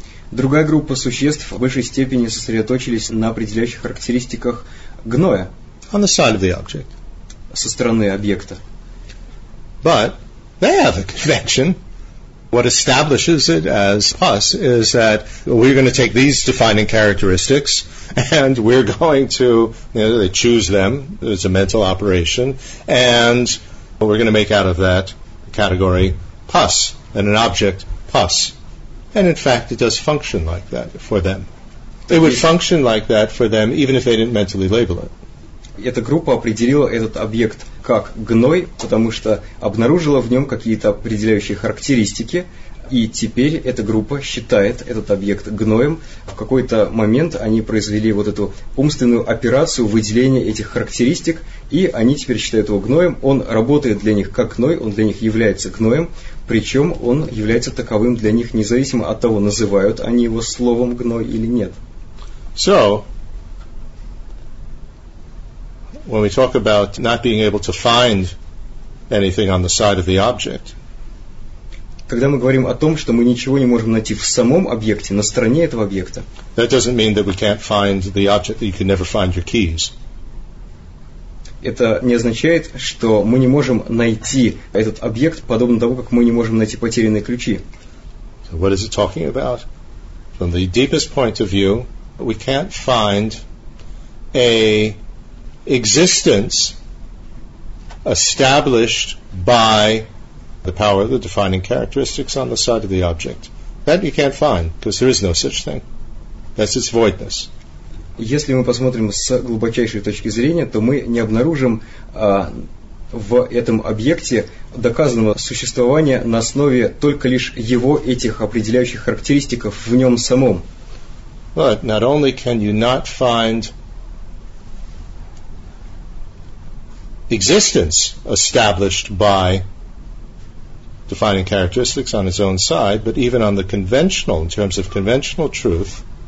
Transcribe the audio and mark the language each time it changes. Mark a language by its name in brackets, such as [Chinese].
[Russian] Другая группа существ в большей степени сосредоточились на определяющих характеристиках гноя. [English] On the side of the object. [Russian] Со стороны объекта. [English] But they have a convention. What establishes it as pus is that we're going to take these defining characteristics and we're going to, you know, they choose them. It's a mental operation. And we're going to make out of that category pus and an object pus. And in fact, it does function like that for them. It would function like that for them, even if they didn't mentally label it. [Russian] Эта группа определила этот объект как гной, потому что обнаружила в нем какие-то определяющие характеристики, и теперь эта группа считает этот объект гноем. В какой-то момент они произвели вот эту умственную операцию выделения этих характеристик, и они теперь считают его гноем. Он работает для них как гной, он для них является гноем, причем он является таковым для них, независимо от того, называют они его словом гной или нет. [English] So, when we talk about not being able to find anything on the side of the object, [Russian] когда мы говорим о том, что мы ничего не можем найти в самом объекте, на стороне этого объекта, [English] that doesn't mean that we can't find the object, that you can never find your keys. [Russian] Это не означает, что мы не можем найти этот объект, подобно тому, как мы не можем найти потерянные ключи. [English] So what is it talking about? From the deepest point of view, we can't find a existence established by the power of the defining characteristics on the side of the object. That you can't find, because there is no such thing. That's its voidness. [Russian] Если мы посмотрим с глубочайшей точки зрения, то мы не обнаружим в этом объекте доказанного существования на основе только лишь его этих определяющих характеристиков в нем самом. [English] But not only can you not find existence established by defining characteristics on its own side, but even on the conventional, in terms of conventional truth,